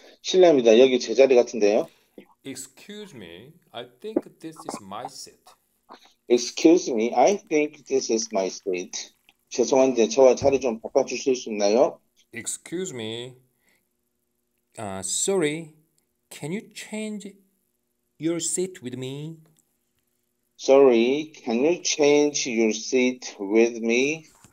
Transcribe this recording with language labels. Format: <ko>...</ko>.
<ko>실례합니다, 여기 제 자리 같은데요.</ko> <en>Excuse me, I think this is my seat. Excuse me, I think this is my seat.</en> <ko>죄송한데 저와 자리 좀 바꿔주실 수 있나요?</ko> <en>Excuse me, sorry, can you change your seat with me? Sorry, can you change your seat with me?</en>